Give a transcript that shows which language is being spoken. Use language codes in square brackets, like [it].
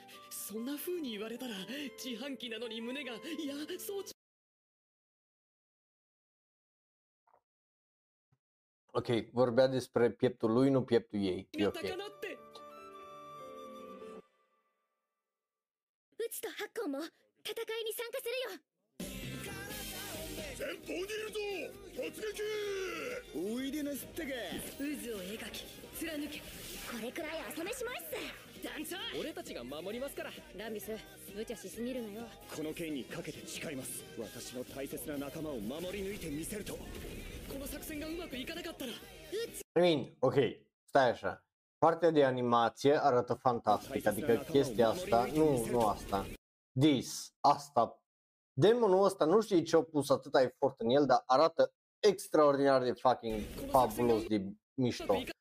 [ja] そんな風に言われたら自販機なのに胸がいやそう。 [ro] OK、vorbea despre pieptul lui, nu pieptul ei. [ja] OK。 見たかなって。うちとハッコも戦いに参加するよ。前方にいるぞ。突撃。おいでなすってか。渦を描き貫け。これくらい朝飯前っす。団長、俺たちが守りますから。ランビス、無茶しすぎるのよ。この剣にかけて誓います。私の大切な仲間を守り抜いてみせると。この作戦がうまくいかなかったら、うち、 [en] I mean, OK, [ro] stai așa. Partea de animație arată fantastic, adică chestia asta, nu asta. This, asta. Demonul ăsta, nu știu ce-a pus atât efort în el, dar arată extraordinar de fucking fabulos de mișto.